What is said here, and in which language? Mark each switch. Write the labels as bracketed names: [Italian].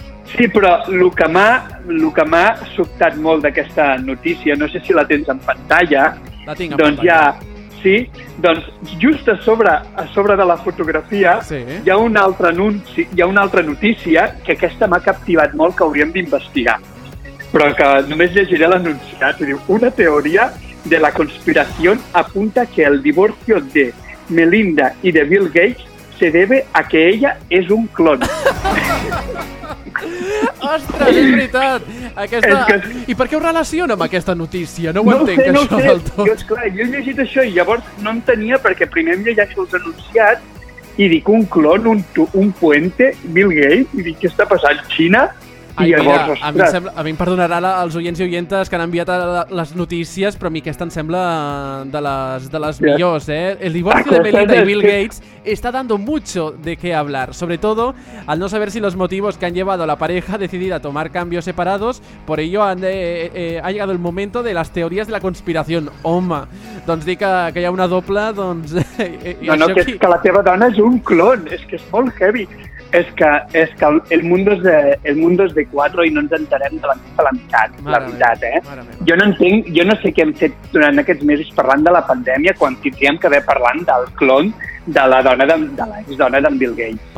[Catalan] Sí, però el que m'ha sobtat molt d'aquesta notícia, no sé si la tens en pantalla. La tinc en doncs pantalla. Sí, doncs just a sobre de la fotografia sí. Hi ha un altre anunci, hi ha una altra notícia que aquesta m'ha captivat molt, que hauríem d'investigar, però que només llegiré l'anunciat. Diu, una teoria de la conspiració apunta que [Spanish] el divorcio de Melinda y de Bill Gates se debe a que ella es un clon. [Catalan] Ostres, és veritat. I per què ho relaciona amb aquesta notícia? No ho entenc, no això del tot. Jo he llegit això i llavors no entenia, perquè primer em llegeixo els anunciats i dic, un clon, un puente, Bill Gates, i dic, què està passant, Xina? Ai, llavors, mira, a mi em perdonarà els oients i oientes que han enviat les notícies, però a mi aquesta em sembla de les yeah. millors, eh? [Spanish] El divorcio de Melinda y Bill Gates está dando mucho de qué hablar, sobre todo al no saber si los motivos que han llevado a la pareja a decidir a tomar cambios separados, por ello ha llegado el momento de las teorías de la conspiración. [Catalan] Home, doncs dic que hi ha una doble, doncs... No, que és que la teva dona és un clon, és que és molt heavy. És que el mundo és de quatre i no ens entenem de la mitja a la meitat, la veritat, eh? Jo no entenc, jo no sé què hem fet durant aquests mesos parlant de la pandèmia quan tindríem que haver parlant del clon de la dona de l'exdona d'en Bill Gates.